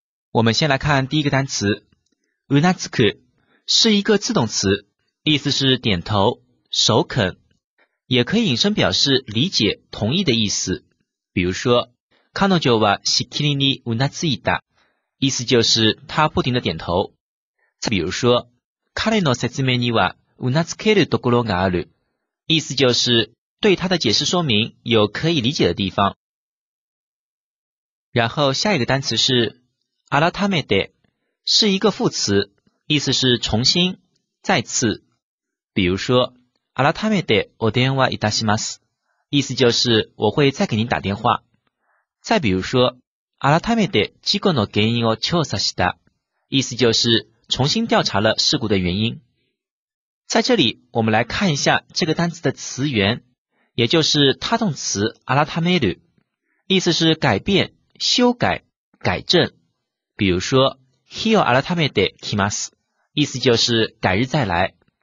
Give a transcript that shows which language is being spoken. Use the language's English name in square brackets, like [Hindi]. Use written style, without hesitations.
[Chinese] 我们先来看第一个单词 ,unatsuku, 是一个自动词，意思是点头、首肯，也可以引申表示理解、同意的意思。比如说 , [Japanese] kanojo wa shikiri ni unatsuita, [Chinese] 意思就是他不停地点头。再比如说 [Japanese] 彼の説明にはうなずけるところがある。 [Chinese] 意思就是对他的解释说明有可以理解的地方。然后下一个单词是改めて，是一个副词，意思是重新、再次。比如说 [Japanese] 改めてお電話いたします。 [Chinese] 意思就是我会再给您打电话。再比如说 [Japanese] 改めて事故の原因を調査した。 [Chinese] 意思就是重新调查了事故的原因。在这里我们来看一下这个单词的词源，也就是他动词改める，意思是改变、修改、改正。比如说 [Japanese] 日を改めて来ます， [Chinese] 意思就是改日再来。